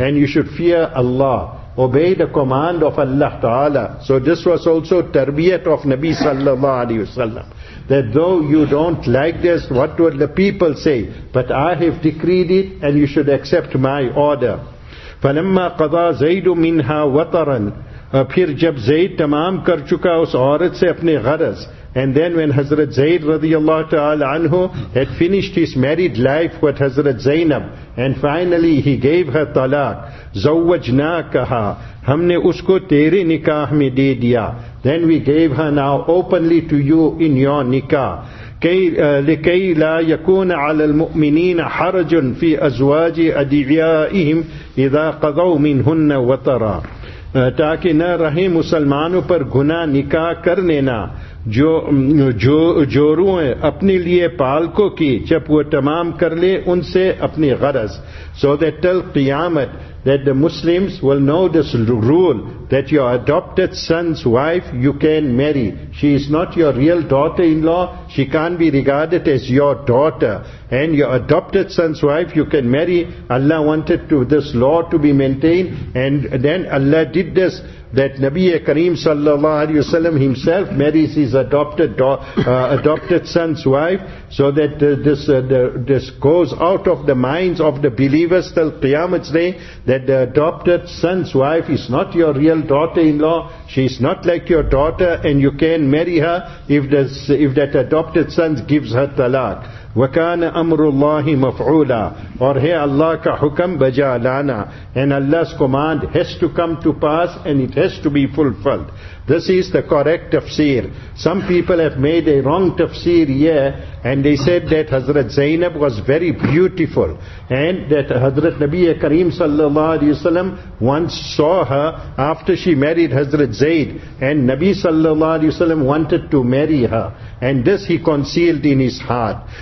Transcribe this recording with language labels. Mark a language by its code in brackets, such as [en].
[en] And you should fear Allah. Obey the command of Allah Ta'ala. So this was also tarbiyat of Nabi sallallahu alayhi wa sallam. That though you don't like this, what would the people say? But I have decreed it and you should accept my order. [ar] فَلَمَّا قَضَى زَيْدُ مِنْهَا وَطَرًا. [ur] پھر جب زید تمام کر چکا اس عورت سے اپنے غرض. [en] And then when Hazrat Zayd radiallahu ta'ala anhu had finished his married life with Hazrat Zainab, and finally he gave her talaq, [ar] زَوَّجْنَا كَهَا, [ur] ہم نے اس کو تیرے نکاح میں دے دیا. [en] Then we gave her now openly to you in your nikah. [ar] لكي لا يكون على المؤمنين حرج في أزواج أدعيائهم إذا قضوا منهن وطرا. [ur] تاکہ نہ رہے مسلمانوں پر گناہ نکاح کرنے نہ جوروں اپنے لیے پالکوں کی جب وہ تمام کر لے ان سے اپنی غرض. [en] So that till قیامت that the Muslims will know this rule that your adopted son's wife you can marry. She is not your real daughter-in-law. She can't be regarded as your daughter. And your adopted son's wife you can marry. Allah wanted to this law to be maintained. And then Allah did this that Nabi Kareem sallallahu alayhi wa sallam himself marries his adopted adopted son's wife so that this goes out of the minds of the believers till Qiyamah's day that the adopted son's wife is not your real daughter-in-law, she is not like your daughter and you can marry her if that adopted son gives her talaq. [ar] وَكَانَ أَمْرُ اللَّهِ مَفْعُولًا [ur] اور ہے اللہ کا حکم بجا لانا. [en] And Allah's command has to come to pass and it has to be fulfilled. This is the correct tafsir. Some people have made a wrong tafsir here and they said that Hazrat Zainab was very beautiful and that Hazrat Nabi Kareem sallallahu alayhi wa sallam once saw her after she married Hazrat Zaid and Nabi sallallahu alayhi wa sallam wanted to marry her and this he concealed in his heart.